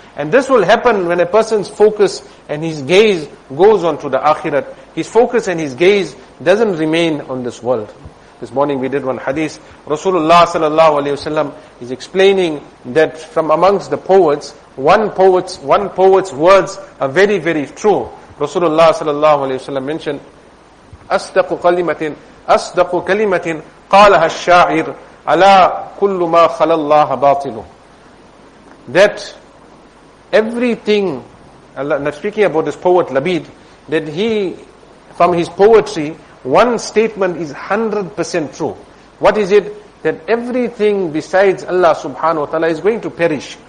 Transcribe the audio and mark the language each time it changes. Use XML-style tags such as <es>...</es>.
<en>And this will happen when a person's focus and his gaze goes on to the akhirat. His focus and his gaze doesn't remain on this world. This morning we did one hadith. Rasulullah sallallahu alayhi wa sallam is explaining that from amongst the poets, one poet's words are very, very true. Rasulullah sallallahu alayhi wa sallam mentioned,</en> <ar>أصدق كلمة قالها الشاعر ألا كل ما خلى الله باطل.</ar> <en>That everything, Allah, now speaking about this poet Labid, that he, from his poetry, one statement is 100% true. What is it? That everything besides Allah subhanahu wa ta'ala is going to perish.</en>